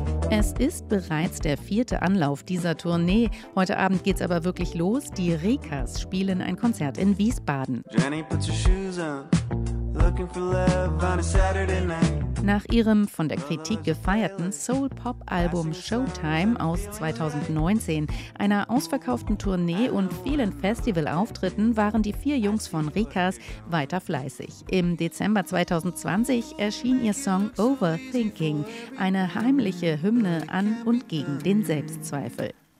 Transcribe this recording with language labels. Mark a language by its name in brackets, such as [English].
[German] Es ist bereits der vierte Anlauf dieser Tournee. Heute Abend geht's aber wirklich los. Die Rikas spielen ein Konzert in Wiesbaden. [English] Jenny, put your shoes on. Looking for love on a Saturday night. [German] Nach ihrem von der Kritik gefeierten Soul-Pop-Album Showtime aus 2019, einer ausverkauften Tournee und vielen Festivalauftritten waren die vier Jungs von Rikas weiter fleißig. Im Dezember 2020 erschien ihr Song Overthinking, eine heimliche Hymne an und gegen den Selbstzweifel.